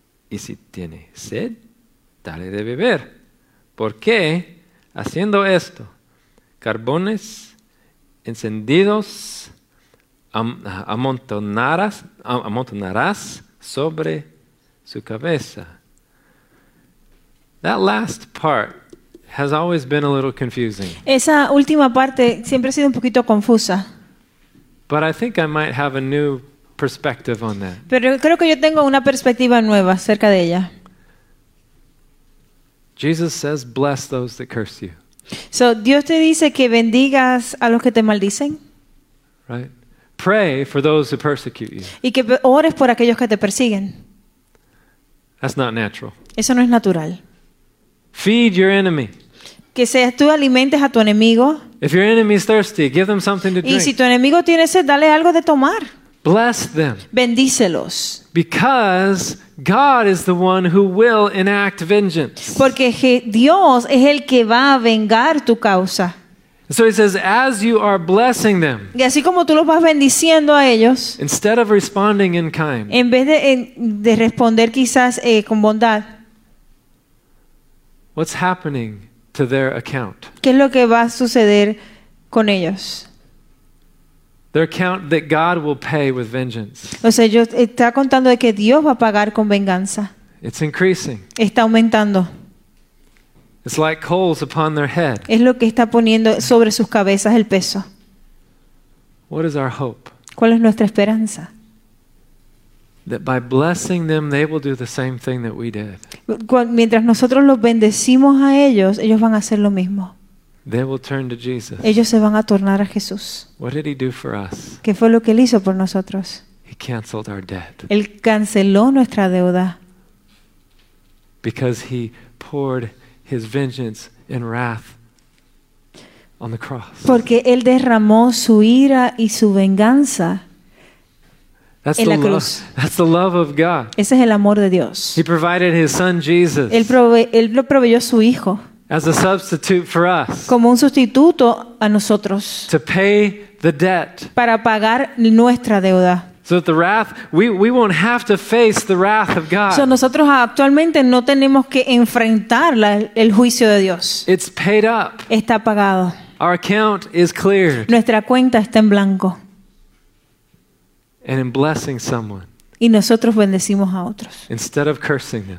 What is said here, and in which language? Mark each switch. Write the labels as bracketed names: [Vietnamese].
[Spanish] Y si tiene sed, dale de beber. Porque haciendo esto, carbones encendidos amontonarás sobre su cabeza. [English] That last part has always been a little confusing. [Spanish] Esa última parte siempre ha sido un poquito confusa. [English] But I think I might have a new perspective on that. [Spanish] Pero creo que yo tengo una perspectiva nueva acerca de ella. [English] Jesus says, "Bless those that curse you." [Spanish] So Dios te dice que bendigas a los que te maldicen. [English] Right? Pray for those who persecute you. [Spanish] Y que ores por aquellos que te persiguen. [English] That's not natural. [Spanish] Eso no es natural. [English] Feed your enemy. [Spanish] Que seas tú alimentes a tu enemigo. [English] If your enemy is thirsty, give them something to drink. [Spanish] Y si tu enemigo tiene sed, dale algo de tomar. [English] Bless them. [Spanish] Bendícelos. [English] Because God is the one who will enact vengeance. [Spanish] Porque Dios es el que va a vengar tu causa. [English] So he says, as you are blessing them, [Spanish] y así como tú los vas bendiciendo a ellos, [English] instead of responding in kind, [Spanish] en vez de responder quizás con bondad, [English] what's happening to their account? [Spanish] ¿Qué es lo que va a suceder con ellos? [English] Their account that God will pay with vengeance. [Spanish] O sea, ellos está contando de que Dios va a pagar con venganza. [English] It's increasing. [Spanish] Está aumentando. [English] It's like coals upon their head. [Spanish] Es lo que está poniendo sobre sus cabezas el peso. [English] What is our hope? [Spanish] ¿Cuál es nuestra esperanza? [English] That by blessing them, they will do the same thing that we did. [Spanish] Mientras nosotros los bendecimos a ellos, ellos van a hacer lo mismo. [English] They will turn to Jesus. [Spanish] Ellos se van a tornar a Jesús. [English] What did he do for us? [Spanish] ¿Qué fue lo que él hizo por nosotros? [English] He canceled our debt. [Spanish] Él canceló nuestra deuda. [English] Because he poured his vengeance and wrath on the cross. [Spanish] Porque él derramó su ira y su venganza. [English] That's [Spanish] en [English] the [Spanish] la cruz. [English] That's the love of God. [Spanish] Ese es el amor de Dios. [English] He provided his son Jesus. [Spanish] Él lo proveyó su hijo. [English] As a substitute for us. [Spanish] Como un sustituto a nosotros. [English] To pay the debt. [Spanish] Para pagar nuestra deuda. [English] So that the wrath we won't have to face the wrath of God. [Spanish] So nosotros actualmente no tenemos que enfrentar el juicio de Dios. [English] It's paid up. [Spanish] Está pagado. [English] Our account is clear. [Spanish] Nuestra cuenta está en blanco. [English] And in blessing someone. [Spanish] Y nosotros bendecimos a otros. [English] Instead of cursing them.